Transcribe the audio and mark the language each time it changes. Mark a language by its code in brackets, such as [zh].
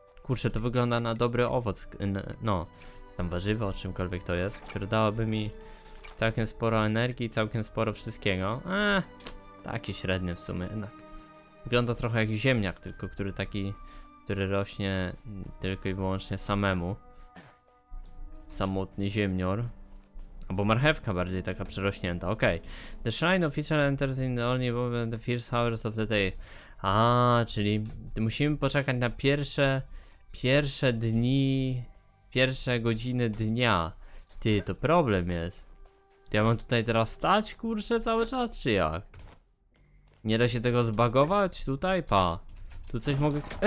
[pl] Kurczę, to wygląda na dobry owoc, no, tam warzywo, czymkolwiek to jest, które dałoby mi całkiem sporo energii, całkiem sporo wszystkiego. Takie średnie w sumie jednak. Wygląda trochę jak ziemniak, tylko który taki, który rośnie tylko i wyłącznie samemu. Samotny ziemnior. Albo marchewka bardziej taka przerośnięta, okej. [en] The shrine official enters in only over the first hours of the day. [pl] A, czyli musimy poczekać na pierwsze dni, pierwsze godziny dnia. Ty, to problem jest. Ja mam tutaj teraz stać, kurczę, cały czas, czy jak? Nie da się tego zbagować tutaj? Pa. Tu coś mogę.